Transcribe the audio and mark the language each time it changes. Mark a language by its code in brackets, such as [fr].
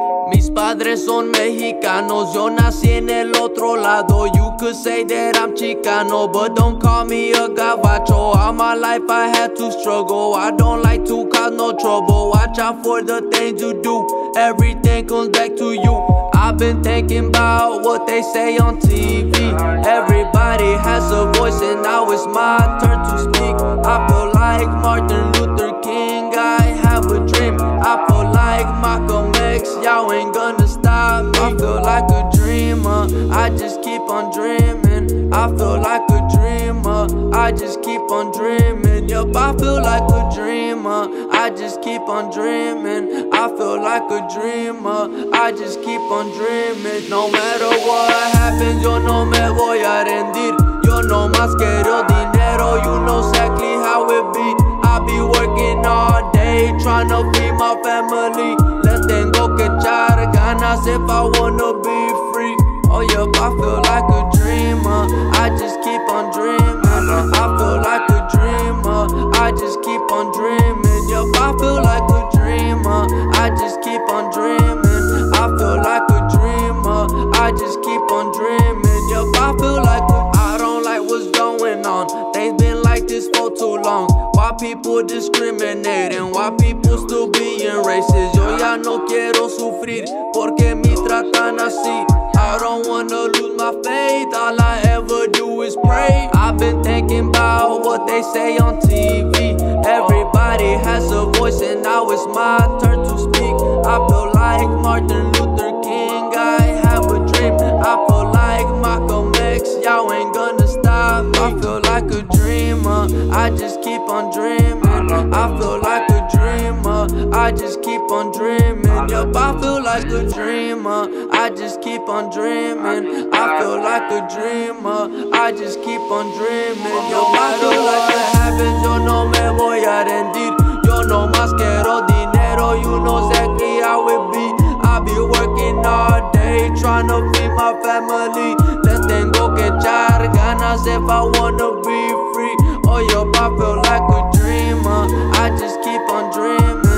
[es] Mis padres son mexicanos, yo nací en el otro lado. [en] You could say that I'm Chicano, but don't call me a gabacho. All my life I had to struggle, I don't like to cause no trouble. Watch out for the things you do, everything comes back to you. I've been thinking about what they say on TV. Everybody has a voice and now it's my turn to speak. I feel like Martin Luther King, I have a dream. I feel like Malcolm X, y'all ain't gonna stop me. I feel like a dreamer, I just keep on dreaming. I feel like a dreamer, I just keep on dreaming. Yup, I feel like a dreamer, I just keep on dreaming. I feel like a dreamer, I just keep on dreaming. No matter what happens, [es] yo no me voy a rendir. Yo no más quiero dinero, [en] you know exactly how it be. I be working all day, trying to feed my family. [es] Le tengo que echar ganas [en] if I wanna be free. Oh yup, I feel like a dreamer, I just keep on dreaming. I feel like a dreamer, I just keep on dreaming. Yup, I feel like a dreamer, I just keep on dreaming. I feel like a dreamer, I just keep on dreaming. Yup, I feel like a... I don't like what's going on. Things been like this for too long. Why people discriminating? Why people still being racist? [es] Yo ya no quiero sufrir, porque me tratan así. [en] I don't wanna lose my faith, all I ever do is pray. I've been thinking about what they say on TV. Everybody has a voice and now it's my turn to speak. I feel like Martin Luther King, I have a dream. I feel like Malcolm X, y'all ain't gonna stop me. I feel like a dreamer, I just keep on dreaming. I feel like a dreamer, I just keep on dreaming. Yup, I feel like a dreamer, I just keep on dreaming. I feel like a dreamer, I just keep on dreaming. Yup, I feel like what happens, [es] yo no me voy a rendir. Yo no más quiero dinero, [en] you know exactly how it be. I be working all day, trying to feed my family. [es] Les tengo que echar ganas [en] if I wanna be free. Oh, yup, I feel like a dreamer, I just keep on dreaming.